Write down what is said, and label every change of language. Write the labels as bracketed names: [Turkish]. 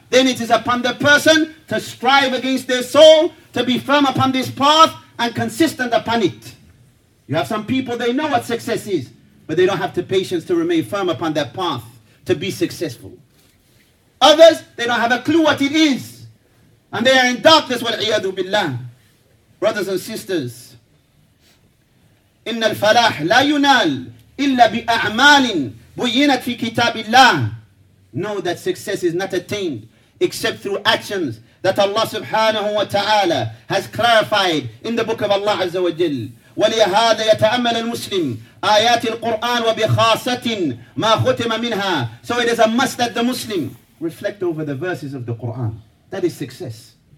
[English] Then it is upon the person to strive against their soul, to be firm upon this path and consistent upon it. You have some people, they know what success is, but they don't have the patience to remain firm upon that path to be successful. Others, they don't have a clue what it is, and they are in darkness. Wal-iyadu billah. Brothers and sisters, [Arabic] إِنَّ الْفَلَاحْ لَا يُنَالْ إِلَّا بِأَعْمَالٍ بُيِّنَتْ فِي كِتَابِ اللَّهِ. [English] Know that success is not attained except through actions that Allah subhanahu wa ta'ala has clarified in the book of Allah azza wa jal. [Arabic] وَلِهَذَا يَتَأَمَّلَ الْمُسْلِمُ آيَاتِ الْقُرْآنِ وَبِخَاصَةٍ مَا خُتِمَ مِنْهَا. [English] So it is a must that the Muslim reflect over the verses of the Qur'an. That is success.